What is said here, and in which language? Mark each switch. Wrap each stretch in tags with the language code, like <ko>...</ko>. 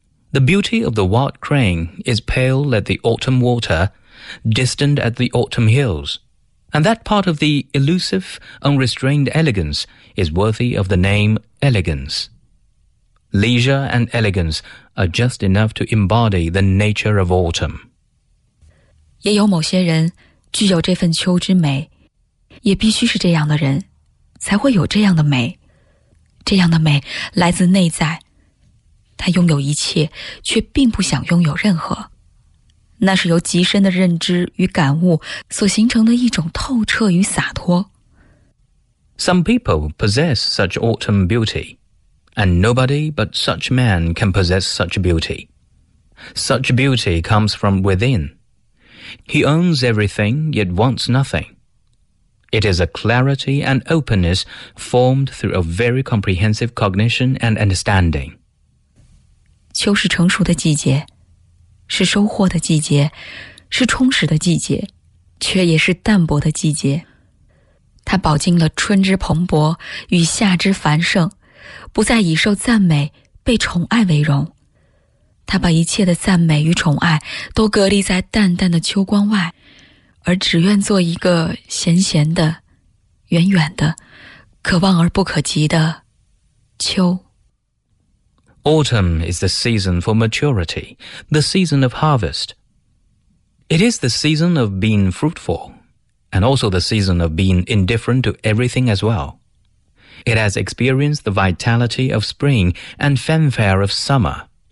<en>The beauty of the wild crane is pale at the autumn water, distant at the autumn hills, and that part of the elusive, unrestrained elegance is worthy of the name elegance. Leisure and elegance are just enough to embody the nature of autumn.</en> <zh>也有某些人具有这份秋之美，也必须是这样的人才会有这样的美。这样的美来自内在，他拥有一切却并不想拥有任何，那是由极深的认知与感悟所形成的一种透彻与洒脱。</zh> <en>Some people possess such autumn beauty, and nobody but such man can possess such beauty. Such beauty comes from withinHe owns everything, yet wants nothing. It is a clarity and openness formed through a very comprehensive cognition and understanding.</en> <zh>秋是成熟的季节，是收获的季节，是充实的季节，却也是淡泊的季节。它饱经了春之蓬勃与夏之繁盛，不再以受赞美、被宠爱为荣。他把一切的赞美与宠爱都隔离在淡淡的秋光外，而只愿做一个闲闲的、远远的、可望而不可及的秋。</zh> <en>Autumn is the season for maturity, the season of harvest. It is the season of being fruitful, and also the season of being indifferent to everything as well. It has experienced the vitality of spring and fanfare of summer.</en>